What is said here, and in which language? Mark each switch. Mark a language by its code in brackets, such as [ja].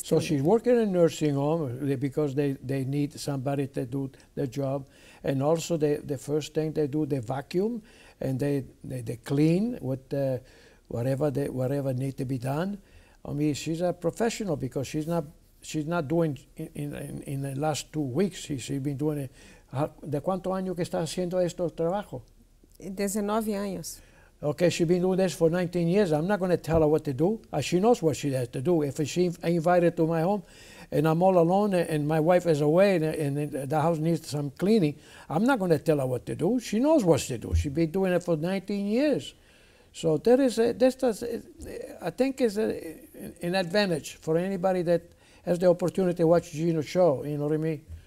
[en] So she's working in a nursing home because they need somebody to do the job. And also the first thing they do, they vacuum and they clean with whatever need to be done. I mean, she's a professional because she's not doing in the last 2 weeks. She's been doing it. [es] ¿De cuánto año que está haciendo este trabajo? 19 años. [en] Okay, she's been doing this for 19 years. I'm not going to tell her what to do. She knows what she has to do. If she invited to my home and I'm all alone and my wife is away and the house needs some cleaning, I'm not going to tell her what to do. She knows what to do. She's been doing it for 19 years. So there is an advantage for anybody that has the opportunity to watch Gino's show, you know what I mean?